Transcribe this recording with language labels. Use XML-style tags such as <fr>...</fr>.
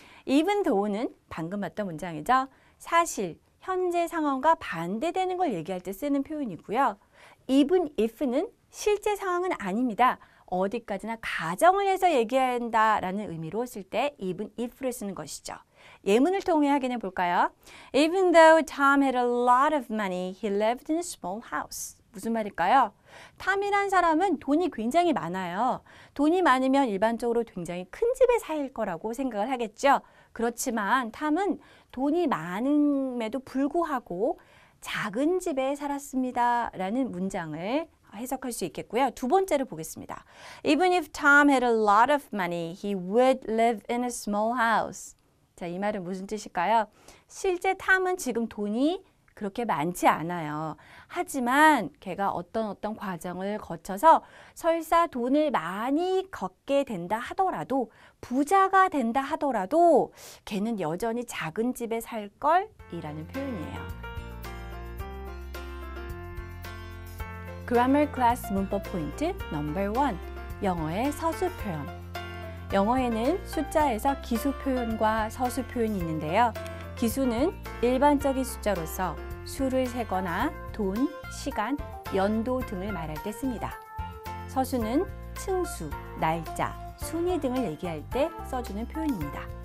<ko>even though 는 방금 봤던 문장이죠. 사실, 현재 상황과 반대되는 걸 얘기할 때 쓰는 표현이고요. even if 는 실제 상황은 아닙니다. 어디까지나 가정을 해서 얘기한다라는 의미로 쓸 때 even if를 쓰는 것이죠. 예문을 통해 확인해 볼까요?</ko> <en>Even though Tom had a lot of money, he lived in a small house.</en> <ko>무슨 말일까요? 탐이란 사람은 돈이 굉장히 많아요. 돈이 많으면 일반적으로 굉장히 큰 집에 살 거라고 생각을 하겠죠. 그렇지만 탐은 돈이 많음에도 불구하고 작은 집에 살았습니다. 라는 문장을 해석할 수 있겠고요. 두 번째를 보겠습니다.</ko> <en>Even if Tom had a lot of money, he would live in a small house.</en> <ko>자, 이 말은 무슨 뜻일까요? 실제 탐은 지금 돈이 그렇게 많지 않아요. 하지만 걔가 어떤 과정을 거쳐서 설사 돈을 많이 걷게 된다 하더라도, 부자가 된다 하더라도 걔는 여전히 작은 집에 살 걸? 이라는 표현이에요.</ko> <en>Grammar Class 문법 포인트 number 1.</en> <ko>영어의 서술 표현. 영어에는 숫자에서 기수 표현과 서술 표현이 있는데요. 기수는 일반적인 숫자로서 수를 세거나 돈, 시간, 연도 등을 말할 때 씁니다. 서술은 층수, 날짜, 순위 등을 얘기할 때 써주는 표현입니다.</ko>